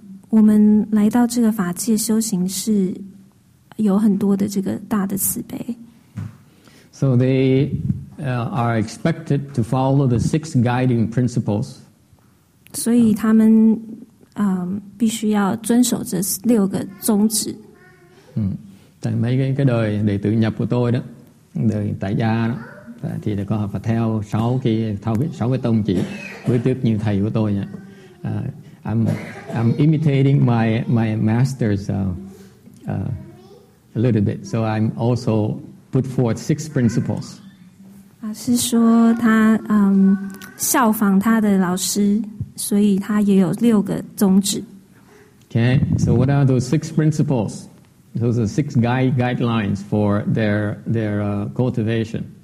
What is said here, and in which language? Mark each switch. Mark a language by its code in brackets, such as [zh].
[zh] 我们来到这个法界修行是有很多的这个大的慈悲。 [en] So they are expected to follow the six guiding principles. [zh] 所以他们必须要遵守这六个宗旨。但每个 [vi] đời đệ tử nhập của tôi đó, đời tại gia đó. Thì có phải theo sáu cái tông chỉ với tước như thầy của tôi nhé. [en] I'm imitating my master's a little bit, so I'm also put forth six principles. [zh] 法师说他效仿他的老师，所以他也有六个宗旨。 [en] Okay, so what are those six principles? Those are six guidelines for their cultivation.